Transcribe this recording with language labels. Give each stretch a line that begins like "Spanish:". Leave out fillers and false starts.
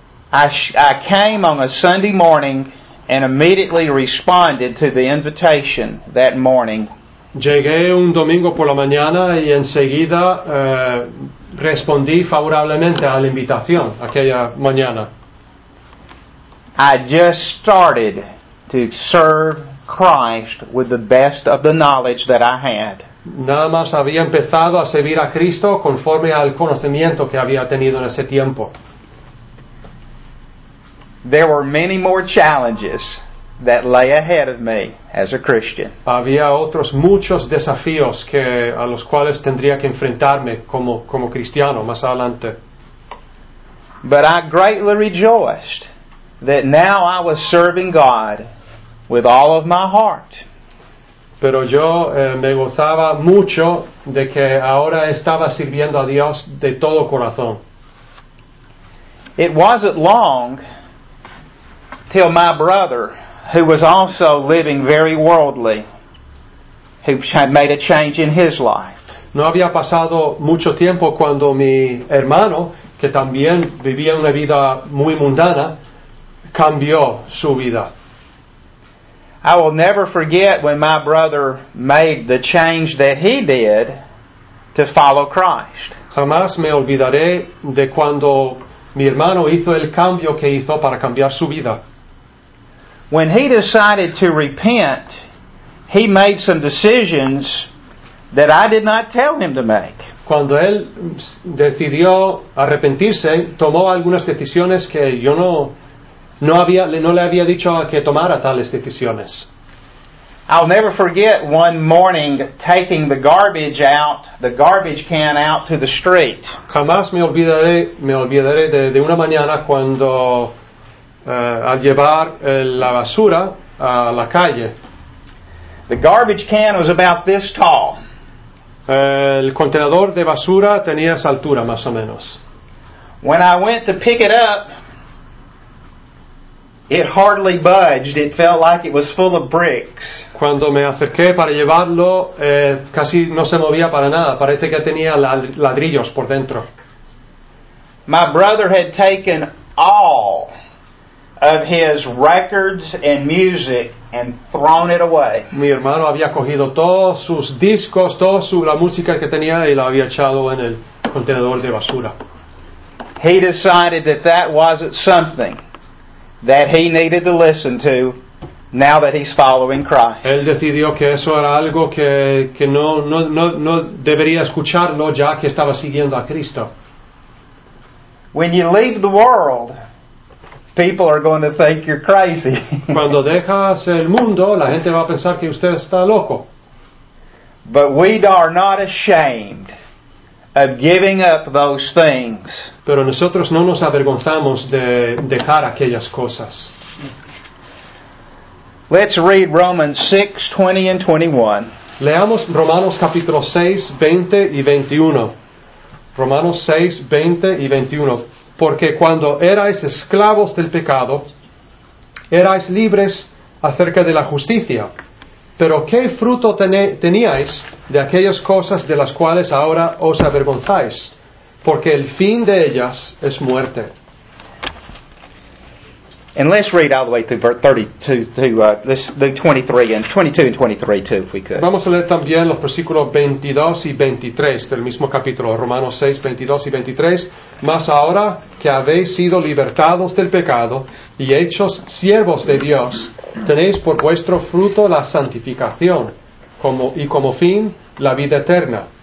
English: I came on a Sunday morning and immediately responded to the invitation that morning.
Spanish: Llegué un domingo por la mañana y enseguida respondí favorablemente a la invitación aquella mañana.
English: I just started to serve Christ with the best of the knowledge that I had.
Spanish: Nada más había empezado a servir a Cristo conforme al conocimiento que había tenido en ese tiempo.
English: There were many more challenges that lay ahead of me as a Christian.
Spanish: Había otros muchos desafíos que a los cuales tendría que enfrentarme como cristiano más adelante.
English: But I greatly rejoiced that now I was serving God with all of my heart.
Spanish: Pero yo me gozaba mucho de que ahora estaba sirviendo a Dios de todo corazón.
English: It wasn't long till my brother, who was also living very worldly, who had made a change in his life.
Spanish: No había pasado mucho tiempo cuando mi hermano, que también vivía una vida muy mundana, cambió su vida.
English: I will never forget when my brother made the change that he did to follow Christ.
Spanish: Jamás me olvidaré de cuando mi hermano hizo el cambio que hizo para cambiar su vida.
English: When he decided to repent, he made some decisions that I did not tell him to make.
Spanish: Cuando él decidió arrepentirse, tomó algunas decisiones que yo no le había dicho que tomara tales decisiones.
English: I'll never forget one morning taking the garbage can out to the street.
Spanish: Jamás me olvidaré de una mañana cuando al llevar la basura a la calle.
English: The garbage can was about this tall.
Spanish: El contenedor de basura tenía esa altura más o menos.
English: When I went to pick it up, it hardly budged. It felt like it was full of bricks.
Spanish: Cuando me acerqué para llevarlo, casi no se movía para nada. Parece que tenía ladrillos por dentro.
English: My brother had taken all of his records and music and thrown it away.
Spanish: Mi hermano había cogido todos sus discos, toda su la música que tenía y la había echado en el contenedor de basura.
English: He decided that that wasn't something that he needed to listen to now that he's following Christ.
Spanish: Él decidió que eso era algo que no debería escucharlo ya que estaba siguiendo a Cristo.
English: When you leave the world, people are going to think you're crazy.
Spanish: Cuando dejas el mundo, la gente va a pensar que usted está loco.
English: But we are not ashamed of giving up those things.
Spanish: Pero nosotros no nos avergonzamos de dejar aquellas cosas.
English: Let's read Romans 6, 20 and 21.
Spanish: Leamos Romanos capítulo 6, 20 y 21. Romanos 6, 20 y 21. Porque cuando erais esclavos del pecado, erais libres acerca de la justicia. Pero ¿qué fruto teníais de aquellas cosas de las cuales ahora os avergonzáis? Porque el fin de ellas es muerte.
English: And let's read all the way through verse 32 to 23 and 22 and 23 too, if we could.
Spanish: Vamos a leer también los versículos 22 y 23 del mismo capítulo, Romanos 6, 22 y 23. Mas ahora que habéis sido libertados del pecado y hechos siervos de Dios, tenéis por vuestro fruto la santificación como fin la vida eterna.